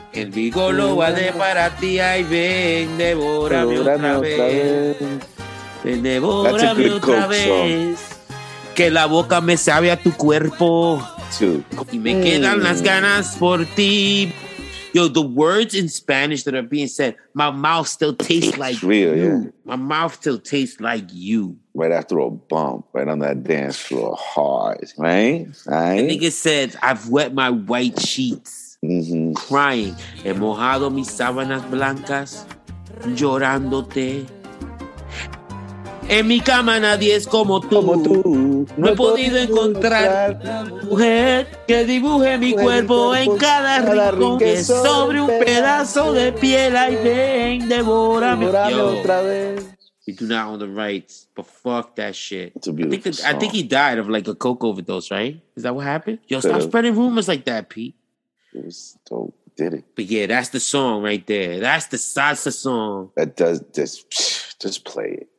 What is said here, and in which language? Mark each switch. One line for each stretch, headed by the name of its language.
Spanish: El vigor lo guardé para ti, ahí ven. Devórame Otra Vez. Devórame Otra Vez. Que la boca me sabe a tu cuerpo.
English: Too.
Spanish: Y me quedan las ganas por ti.
English: Yo, the words in Spanish that are being said, my mouth still tastes like real, you. Yeah. My mouth still tastes like you. Right after a bump, right on that dance floor, hard, right? The nigga said, I've wet my white sheets, crying.
Spanish: He mojado mis sábanas blancas, llorándote. En mi cama nadie es como tú. Como tú. No he podido encontrar la mujer que dibuje mi cuerpo en cada rincón. Que sobre un pedazo de piel ahí ven, devórame otra vez.
English: We do not own the rights, but fuck that shit. It's a beautiful song. I think he died of like a coke overdose, right? Is that what happened? Yo, stop spreading rumors like that, Pete. It was dope. Did it. But yeah, that's the song right there. That's the salsa song. That does this. Just play it.